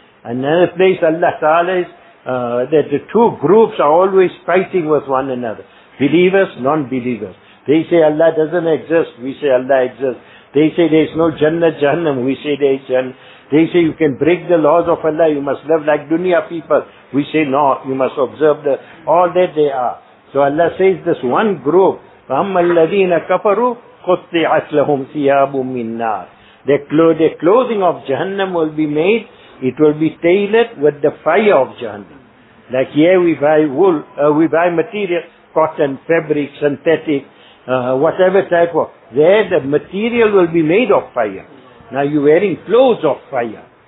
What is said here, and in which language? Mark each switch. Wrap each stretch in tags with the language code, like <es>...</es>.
<en>Another place Allah Ta'ala is, that the two groups are always fighting with one another. Believers, non-believers. They say Allah doesn't exist, we say Allah exists. They say there is no Jannah, Jahannam, we say there is Jannah. They say you can break the laws of Allah, you must live like dunya people. We say no, you must observe the, all that they are. So Allah says this one group,</en> <ar>فَأَمَّا الَّذِينَ كَفَرُوا قُطِّعَتْ لَهُمْ ثِيَابٌ مِّن نَارٍ.</ar> <en>Their clothing of Jahannam will be made, it will be tailored with the fire of Jahannam. Like here we buy wool, we buy material, cotton, fabric, synthetic, whatever type of. There the material will be made of fire. Now you're wearing clothes of fire.</en>